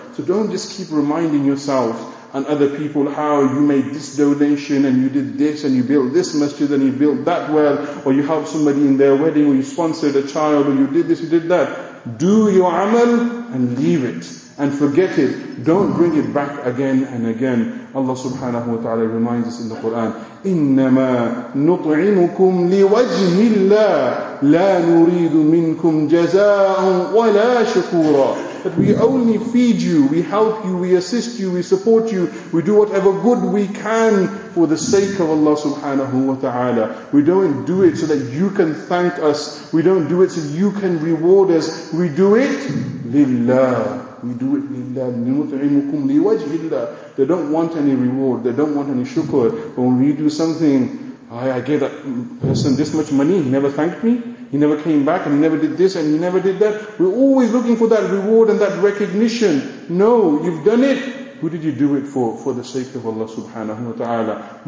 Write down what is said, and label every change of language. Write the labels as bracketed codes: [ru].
[en] So don't just keep reminding yourself and other people how you made this donation and you did this and you built this masjid and you built that well, or you helped somebody in their wedding, or you sponsored a child, or you did this, you did that. Do your amal and leave it. And forget it. Don't bring it back again and again. Allah subhanahu wa ta'ala reminds us in the Quran, [ar] إِنَّمَا نُطْعِمُكُمْ لِوَجْهِ اللَّهِ لَا نُرِيدُ مِنْكُمْ جَزَاءٌ وَلَا شُكُورًا. [en] That we only feed you, we help you, we assist you, we support you, we do whatever good we can for the sake of Allah subhanahu wa ta'ala. We don't do it so that you can thank us. We don't do it so that you can reward us. We do it لِلَّهِ. We do it [ar] لِلَّهِ لِنُطْعِمُكُمْ لِوَجْهِ اللَّهِ. [en] They don't want any reward. They don't want any shukr. But when we do something, I gave that person this much money, he never thanked me. He never came back and he never did this and he never did that. We're always looking for that reward and that recognition. No, you've done it. Who did you do it for? For the sake of Allah subhanahu wa ta'ala.